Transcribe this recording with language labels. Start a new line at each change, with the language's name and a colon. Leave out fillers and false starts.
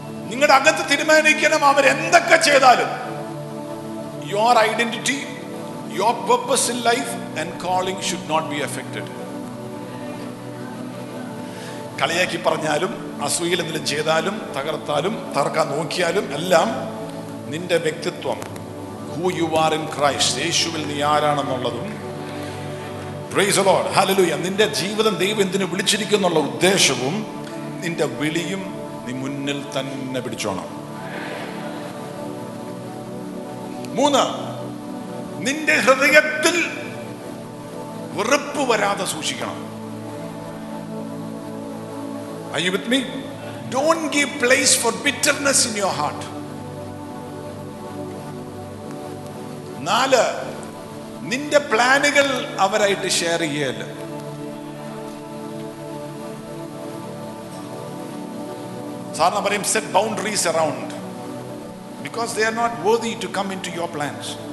Malayalam: നിങ്ങളുടെ അകത്ത് തീരുമാനിക്കണം അവർ എന്തൊക്കെ ചെയ്താലും.
English: Your identity, your purpose in life and calling should not be affected.
Malayalam: കളിയാക്കി പറഞ്ഞാലും അസൂയയിൽ എന്തെങ്കിലും ചെയ്താലും തകർത്താലും തറക്കാൻ നോക്കിയാലും എല്ലാം നിന്റെ വ്യക്തിത്വം,
English: who you are in Christ,
Malayalam: യേശുവിൽ നീ ആരാണെന്നുള്ളതും.
English: Praise the Lord. Hallelujah.
Malayalam: നിന്റെ ജീവിതം ദൈവം എന്തിനു വിളിച്ചിരിക്കുന്നുള്ള ഉദ്ദേശവും നിന്റെ വിളിയും നീ മുന്നിൽ തന്നെ പിടിച്ചോണം. മൂന്ന്, നിന്റെ ഹൃദയത്തിൽ വെറുപ്പ് വരാതെ സൂക്ഷിക്കണം.
English: Are you with me? Don't give place for bitterness in your heart.
Malayalam: നാല്, നിന്റെ പ്ലാനുകൾ അവരായിട്ട് ഷെയർ ചെയ്യല്ല.
English: സാധാരണ പറയും set boundaries around because they are not worthy to come into your plans.